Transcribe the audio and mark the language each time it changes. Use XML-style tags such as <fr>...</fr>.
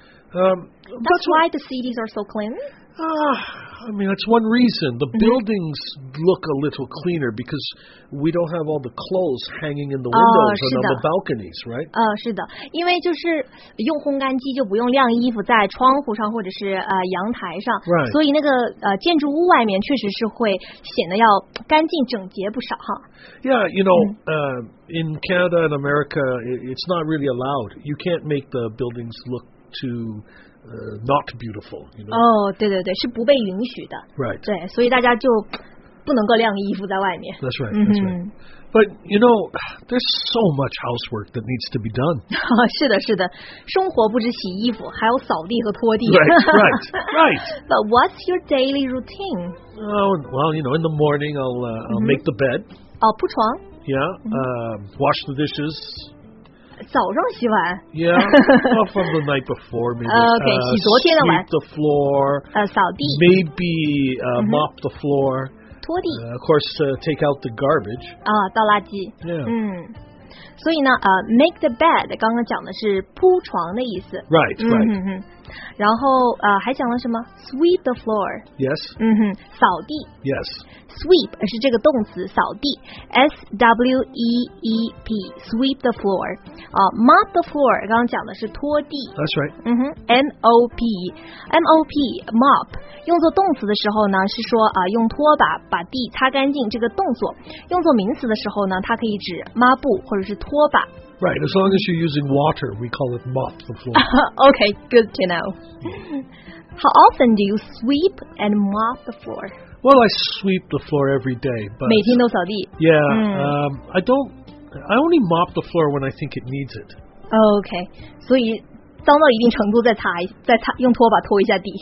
<en>That's why the cities are so clean? I mean, that's one reason. The buildings look a little cleaner because we don't have all the clothes hanging in the windows and on the balconies, right?</en> <zh>是的，因为就是用烘干机就不用晾衣服在窗户上或者是阳台上，</zh> <en>right.</en> <zh>所以那个建筑物外面确实是会显得要干净整洁不少哈。</zh> <en>Yeah, you know, in Canada and America, it's not really allowed. You can't make the buildings look too... not beautiful, you know.</en> <zh>对对对，是不被允许的。</zh> <en>Right.</en> <zh>对，所以大家就不能够晾衣服在外面。</zh> <en>That's right, that's right. But, you know, there's so much housework that needs to be done.</en> <zh>是的，是的，生活不止洗衣服，还有扫地和拖地。</zh> <en>Right. But what's your daily routine? Well, you know, in the morning I'll make the bed.</en> <zh>铺床。</zh> <en>Yeah, wash the dishes.</en> <zh>早上洗碗</zh> <en>yeah, well, from the night before maybe.</en> <zh>Okay, 洗昨天的碗</zh> <en>sweep the floor,</en> <zh>扫地</zh> <en>maybe mop the floor,</en> <zh>拖地</zh> <en>of course, take out the garbage,</en> <zh>倒垃圾</zh> <en>yeah.</en> <zh>所以呢</zh> <en>make the bed,</en> <zh>刚刚讲的是铺床的意思</zh> <en>right, right.</en> <zh>然后还讲了什么</zh> <en>sweep the floor, yes,</en> <zh>扫地</zh> <en>yes,</en> <zh>sweep 是这个动词扫地 S-W-E-E-P,</zh> <en>sweep the floor,mop the floor,</en> <zh>刚刚讲的是拖地</zh> <en>That's right.</en> <zh>M-O-P, M-O-P, mop, 用作动词的时候呢是说用拖把把地擦干净这个动作用作名词的时候呢它可以指抹布或者是拖把</zh> <en>Right, as long as you're using water, we call it mop the floor. Okay, good to know. How often do you sweep and mop the floor? Well, I sweep the floor every day, but...</en> <zh>每天都扫地。</zh> <en>Yeah, I don't... I only mop the floor when I think it needs it.</en> <zh>Okay, 所以脏到一定程度再擦用拖把拖一下地。</zh>